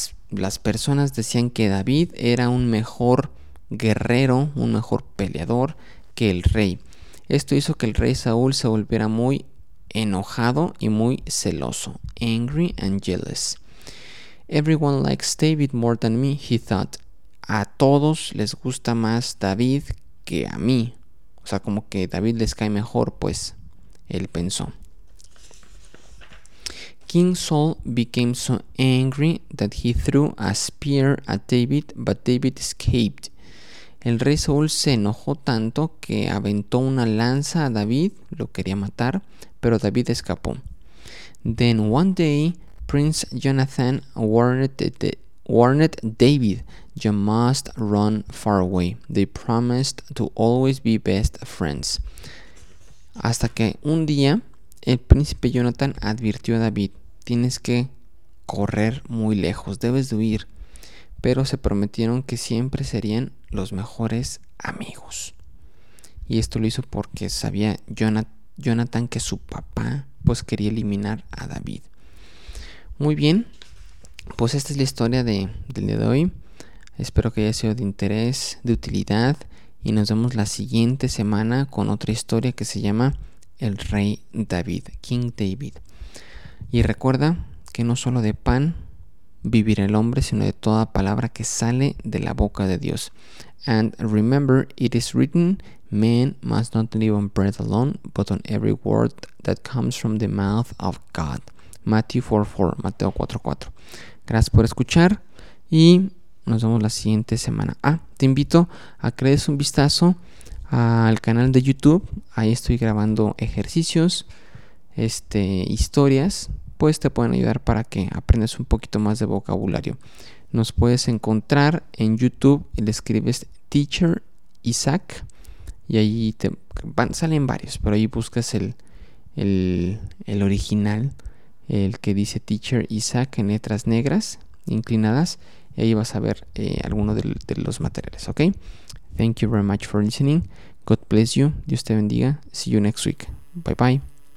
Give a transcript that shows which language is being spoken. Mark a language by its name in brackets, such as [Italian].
[Spanish] Las personas decían que David era un mejor guerrero, un mejor peleador que el rey. Esto hizo que el rey Saúl se volviera muy enojado y muy celoso. [English] Angry and jealous. Everyone likes David more than me, he thought. [Spanish] A todos les gusta más David que a mí. O sea, como que David les cae mejor, pues, él pensó. [English] King Saul became so angry that he threw a spear at David, but David escaped. [Spanish] El rey Saúl se enojó tanto que aventó una lanza a David, lo quería matar, pero David escapó. [English] Then one day, Prince Jonathan warned David, "You must run far away." They promised to always be best friends. [Spanish] Hasta que un día, el príncipe Jonathan advirtió a David, "Tienes que correr muy lejos, debes de huir." Pero se prometieron que siempre serían los mejores amigos. Y esto lo hizo porque sabía Jonathan que su papá pues quería eliminar a David. Muy bien, pues esta es la historia del día de hoy. Espero que haya sido de interés, de utilidad. Y nos vemos la siguiente semana con otra historia que se llama El Rey David, King David. Y recuerda que no solo de pan vivir el hombre, sino de toda palabra que sale de la boca de Dios. [English] And remember, it is written, man must not live on bread alone, but on every word that comes from the mouth of God. [Spanish] Mateo 4:4. Gracias por escuchar y nos vemos la siguiente semana. Ah, te invito a que le des un vistazo al canal de YouTube. Ahí estoy grabando ejercicios, historias. Pues te pueden ayudar para que aprendas un poquito más de vocabulario. Nos puedes encontrar en YouTube, le escribes Teacher Isaac y ahí te salen varios, pero ahí buscas el original, el que dice Teacher Isaac en letras negras inclinadas, y ahí vas a ver alguno de los materiales, ¿ok? [English] Thank you very much for listening. God bless you. [Spanish] Dios te bendiga. [English] See you next week. Bye bye.